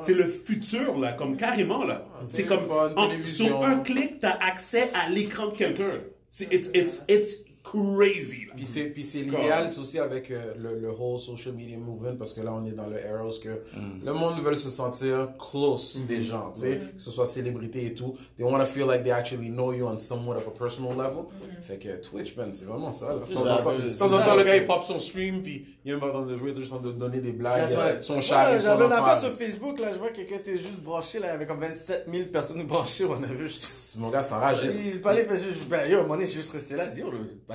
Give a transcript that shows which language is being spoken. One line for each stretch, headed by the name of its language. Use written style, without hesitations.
French: C'est le futur, là. Comme carrément, là. C'est comme. Sur un clic, t'as accès à l'écran de quelqu'un.
English: It's crazy, là.
French: Puis c'est l'idéal, c'est aussi avec le
English: whole social media movement,
French: parce que là, on est dans le era que le monde veut se sentir close des gens, tu sais. Que ce soit célébrité et tout.
English: They want to feel like they actually know you on somewhat of a personal level.
French: Fait que Twitch, man, c'est vraiment ça. De temps en temps, le gars, il pop son stream, puis il est en train de jouer, juste en train de donner des blagues, son charisme. Ouais, j'avais une affaire sur Facebook, là, je vois quelqu'un était juste branché, là, il y avait comme 27 000 personnes branchées, on a vu. Juste... Mon gars, c'est enragé. Il parlait, fait juste, ben, yo, mon je suis juste resté là, dis-yo, le.